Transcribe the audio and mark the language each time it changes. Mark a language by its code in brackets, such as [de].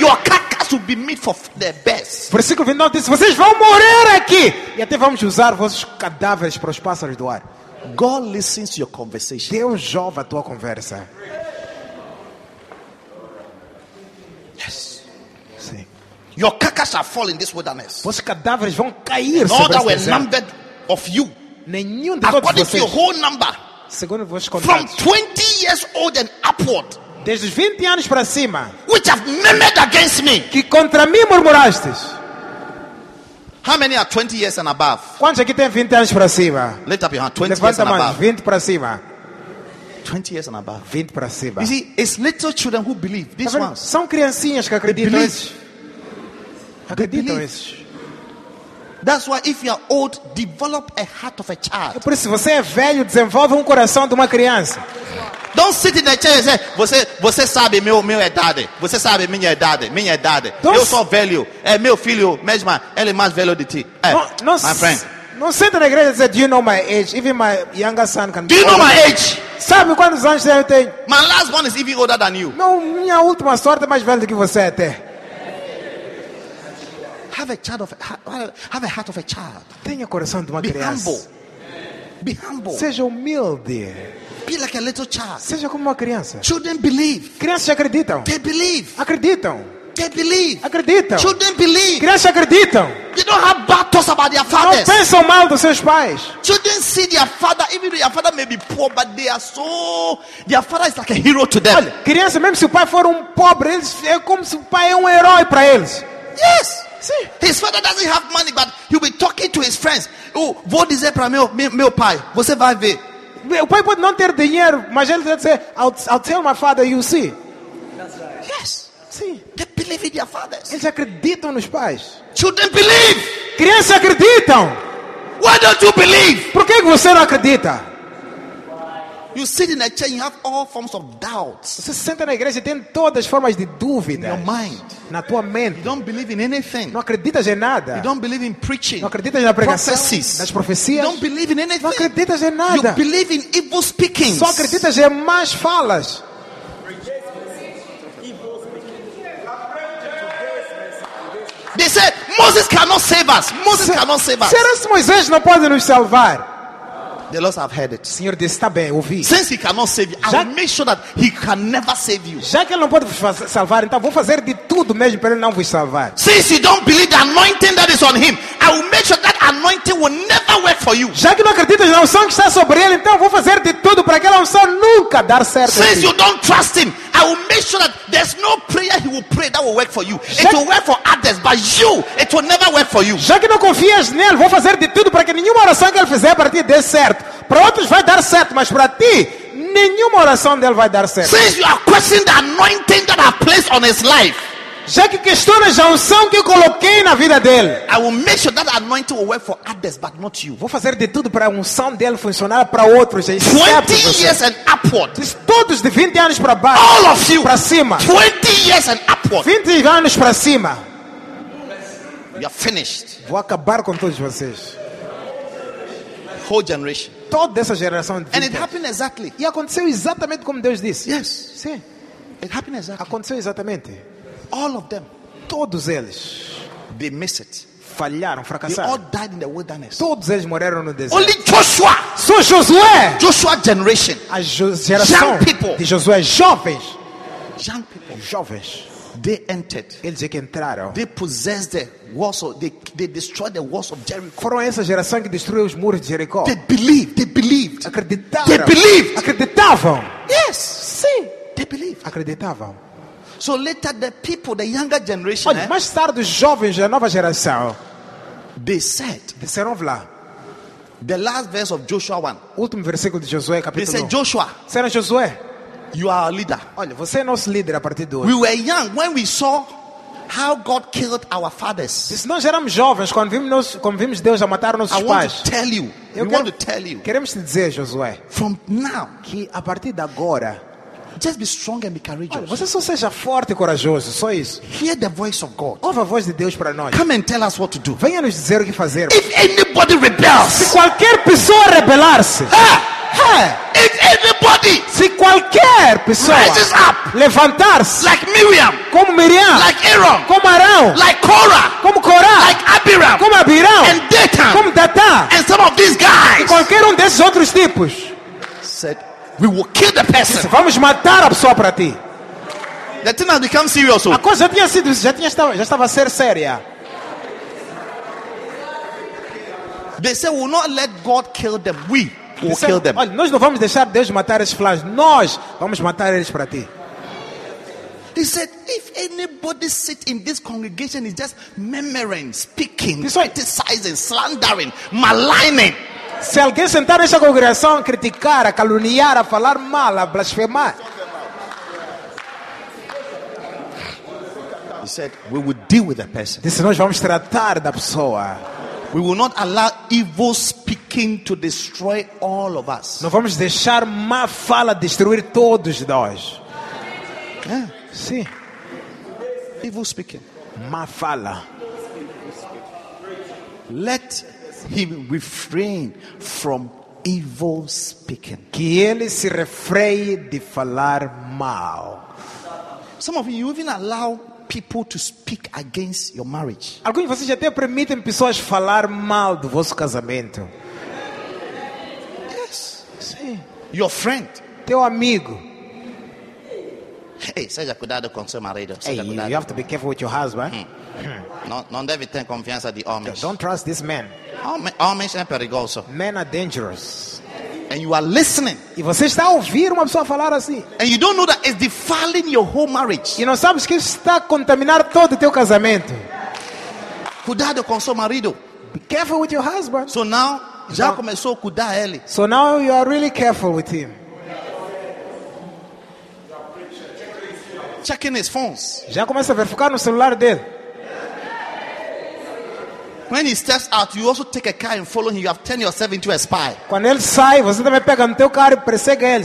[en] Your carcass will be meat for the bears. [pt] Versículo 29 diz, vocês vão morrer aqui. E até vamos usar vossos cadáveres para os pássaros do ar. [en] God listens to your conversation. [pt] Deus ouve a tua conversa. [en] Yes. [pt] Sim. [en] Your carcass shall fall in this wilderness. [pt] Vossos cadáveres vão cair [en] and [pt] sobre [en] all that were numbered of you. [pt] Nenhum de [en] according [pt] todos vocês, [en] to your whole number, [pt] segundo vos contatos, [en] from 20 years old and upward, [pt] desde os 20 anos para cima, [en] which have murmured against me, [pt] que contra mim murmurastes. [en] How many are 20 years and above? [pt] Quantos aqui têm 20 anos para cima? [en] Lift up your hand. 20 years and above. [pt] 20 para cima. [en] 20 years and above. [pt] 20 para cima. [en] You see, it's little children who believe. These ones. [pt] São criancinhas que acreditam. [en] They [pt] acreditam isso. [en] That's why if you are old, develop a heart of a child. [pt] Por isso, você é velho, desenvolve coração de uma criança. [en] Don't sit in the chair and say, [pt] você sabe meu idade. Você sabe minha idade. Don't eu sou velho. É meu filho, mesmo, ele é mais velho de ti. É, não, não, [en] my friend. [pt] Não senta na igreja e [en] say, do you know my age? Even my younger son can do you know my age? [pt] Sabe quantos anos eu tenho? [en] My last one is even older than you. [pt] Não, minha última sorte é mais velha do que você até. [en] Have a child of have a heart of a child. [pt] Tenha coração de uma [en] be [pt] criança. [en] Humble. Be humble. [pt] Seja humilde. [en] Be like a little child. [pt] Seja como uma criança. [en] Children believe. [pt] Crianças acreditam. [en] They believe. [pt] Acreditam. [en] They believe. [pt] Acreditam. [en] Children believe. [pt] Crianças acreditam. [en] They don't have bad thoughts about their fathers. [pt] Não pensam mal dos seus pais. [en] Children see their father, even though their father may be poor, but they are so. Their father is like a hero to them. [pt] Olha, criança, mesmo se o pai for pobre, eles é como se o pai é herói para eles. [en] Yes. See, his father doesn't have money, but he'll be talking to his friends. [pt] Oh, vou dizer para meu pai, você vai ver. O pai pode não ter dinheiro, mas ele vai dizer, [en] I'll tell my father, you see. That's right. Yes. See. They believe in their fathers. [pt] Eles acreditam nos pais. [en] Children believe. [pt] Crianças acreditam. [en] Why don't you believe? [pt] Por que você não acredita? [en] You sit in a church, you have all forms of doubts. [pt] Você senta na igreja e tem todas as formas de dúvida. [en] In your mind, [pt] na tua mente. [en] You don't believe in anything. [pt] Não acreditas em nada. [en] You don't believe in preaching. [pt] Não acreditas na pregação. [en] Prophecies. [pt] Nas profecias. [en] You don't believe in anything. [pt] Não acreditas em nada. [en] You believe in evil speaking. [pt] Só acreditas em más falas. [en] They said Moses cannot save us. Moses cannot save us. [pt] Será que Moisés não pode nos salvar? [en] The Lord have heard it. [pt] Senhor disse, está bem, ouvi. [en] Since he cannot save you, I will make sure that he can never save you. [pt] Já que ele não pode vos salvar, então vou fazer de tudo mesmo para ele não vos salvar. [en] Since you don't believe the anointing that is on him, I will make sure that anointing will never work for you. [pt] Já que não acreditas na unção que está sobre ele, então vou fazer de tudo para aquela unção nunca dar certo. [en] Since you don't trust him, I will make sure that there's no prayer he will pray that will work for you. It will work for others, but you, it will never work for you. [pt] Já que não confias nele, vou fazer de tudo para que nenhuma oração que ele fizer para ti dê certo. Para outros vai dar certo, mas para ti nenhuma oração dele vai dar certo. [en] Since you are questioning the anointing that I placed on his life, [pt] já que questionas a unção que eu coloquei na vida dele, [en] I will make sure that anointing will work for others, but not you. [pt] Vou fazer de tudo para a unção dele funcionar para outros. [en] 20 years and upward. [pt] Diz todos de 20 anos para baixo. [en] All of you. [pt] Para cima. [en] 20 years and upward. [pt] 20 anos para cima. [en] You are finished. [pt] Vou acabar com todos vocês. [en] Whole generation. [pt] Toda essa geração. [en] And it happened exactly. [pt] E aconteceu exatamente como Deus disse. [en] Yes. [pt] Sim. [en] It happened exactly. [pt] Aconteceu exatamente. [en] All of them. [pt] Todos eles. [en] They miss it. [pt] falharam, fracassaram. [en] They all died in the wilderness. [pt] Todos eles morreram no deserto. [en] Only Joshua. [pt] Só Josué. [en] Joshua generation. [pt] A geração [en] young people. [pt] De Josué jovens. [en] Young people. [pt] Jovens. [en] They entered. [pt] Eles que entraram. [en] They possessed the walls of they destroyed the walls of Jericho. [pt] Foram essa geração que destruiu os muros de Jericó. [en] They believed. [pt] Acreditaram. [en] They believed. [pt] Acreditavam. [en] Yes. [pt] Sim. [en] They believed. [pt] Acreditavam. [en] So later the people, the younger generation. [pt] Olha, mais tarde os jovens da nova geração. [en] They said. [pt] Disseram lá. [en] The last verse of Joshua 1. [pt] Último versículo de Josué capítulo 1. [en] They said Joshua. [pt] Disseram Josué. [en] You are our leader. [pt] Olha, você é nosso líder a partir de hoje. [en] We were young when we saw how God killed our fathers. [pt] Diz, nós éramos jovens quando vimos Deus a matar nossos [en] I [pt] pais. [en] I want to tell you. [pt] Eu [en] we want to tell you. [pt] Queremos te dizer, Josué. [en] From now, [pt] que a partir de agora, [en] just be strong and be courageous. [pt] Olha, você só seja forte e corajoso, só isso. [en] Hear the voice of God. [pt] Ouve a voz de Deus para nós. [en] Come and tell us what to do. [pt] Venha nos dizer o que fazer. [en] If anybody rebels, [pt] se qualquer pessoa rebelar-se. [en] If anybody, [pt] se qualquer pessoa [en] rises up, [pt] levantar-se, [en] like Miriam, [pt] como Miriam, [en] like Aaron, [pt] como Arão, [en] like Korah, [pt] como Korah, [en] like Abiram, [pt] como Abiram, [en] and Datan, [pt] como Datan, [en] and some of these guys, [pt] e qualquer desses outros tipos, [en] said, we will kill the person. [pt] Disse, vamos matar a pessoa para ti. [en] The thing has become serious. [pt] A coisa já estava a ser séria. [en] They said, we will not let God kill them. We. We'll kill them. [pt] Olha, nós não vamos deixar Deus matar esses flash. Nós vamos matar eles para ti. [en] He said, if anybody sit in this congregation is just murmuring, speaking, criticizing, slandering, maligning. [pt] Se alguém sentar nessa congregação a criticar, a caluniar, a falar mal, a blasfemar. [en] He said, we will deal with the person. [pt] Disse, nós vamos tratar da pessoa. [en] We will not allow evil speaking to destroy all of us. [pt] Não vamos deixar má fala destruir todos nós. [en] Yeah. [pt] Sim. [en] Evil speaking. [pt] Má fala. [en] Let him refrain from evil speaking. [pt] Que ele se refreie de falar mal. [en] Some of you even allow people to speak against your marriage. [pt] Alguns de vocês até permitem pessoas falar mal do vosso casamento. [en] Yes. [pt] Sim. [en] Your friend. [pt] Teu amigo. Hey, seja cuidado com seu marido. [en] You have to be careful with your husband. [pt] Não deve ter confiança de homens. [en] Don't trust this man. [pt] Homens é perigoso. [en] Men are dangerous. And you are listening. [pt] E você está a ouvir uma pessoa falar assim. [en] And you don't know that it's defiling your whole marriage. [pt] E não sabes que está a contaminar todo o teu casamento. Cuidado com seu marido. [en] Be careful with your husband. So now, [pt] já começou a cuidar ele. [en] So now you are really careful with him. Checking his phones. [pt] Já começa a verificar no celular dele. [en] When he steps out, you also take a car and follow him. You have turned yourself into a spy. [pt] Quando ele sai, você também pega o teu carro e persegue ele.